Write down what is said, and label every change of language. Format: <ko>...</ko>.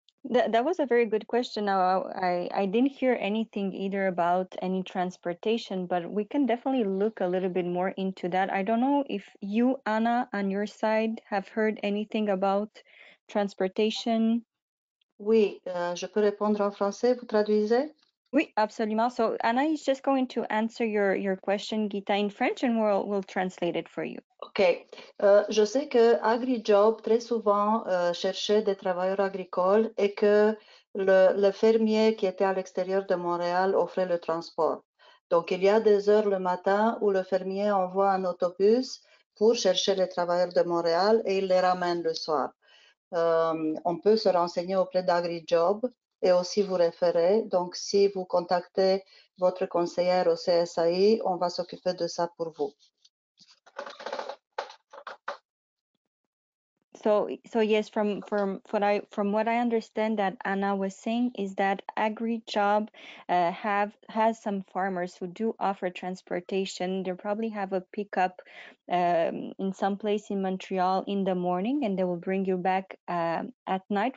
<en>That was a very good question. I didn't hear anything either about any transportation, but we can definitely look a little bit more into that. I don't know if you, Anna, on your side, have heard anything about transportation.</en> <fr>Oui, je peux répondre en français, vous traduisez? Oui, absolument.</fr> <en>So Anna is just going to answer your question, Gita, in French, and we'll translate it for you. OK.</en> <fr>Je sais que AgriJob très souvent cherchait des travailleurs agricoles et que le fermier qui était à l'extérieur de Montréal offrait le transport. Donc, il y a des heures le matin où le fermier envoie un autobus pour chercher les travailleurs de Montréal et il les ramène le soir. On peut se renseigner auprès d'AgriJob et aussi vous référer. Donc, si vous contactez votre conseillère au CSAI, on va s'occuper de ça pour vous.</fr> <en>So yes, from what I understand that Anna was saying is that AgriJob has some farmers who do offer transportation. They probably have a pickup in some place in Montreal in the morning, and they will bring you back at night.</en>